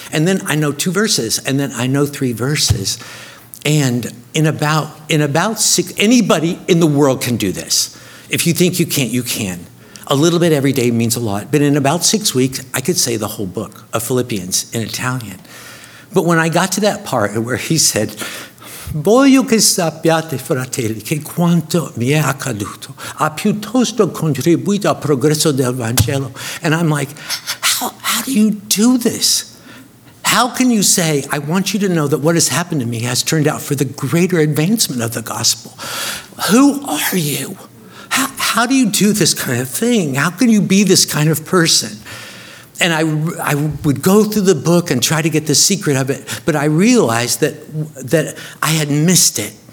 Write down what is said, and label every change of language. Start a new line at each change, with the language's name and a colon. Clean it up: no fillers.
English: And then I know two verses, and then I know three verses. And in about six, anybody in the world can do this. If you think you can't, you can. A little bit every day means a lot. But in about 6 weeks, I could say the whole book of Philippians in Italian. But when I got to that part where he said,
Italian: voglio che sappiate, fratelli, che quanto mi è accaduto ha piuttosto contribuito al progresso del Vangelo.
English: And I'm like, how do you do this? How can you say, I want you to know that what has happened to me has turned out for the greater advancement of the gospel? Who are you? How do you do this kind of thing? How can you be this kind of person? And I would go through the book and try to get the secret of it, but I realized that I had missed it.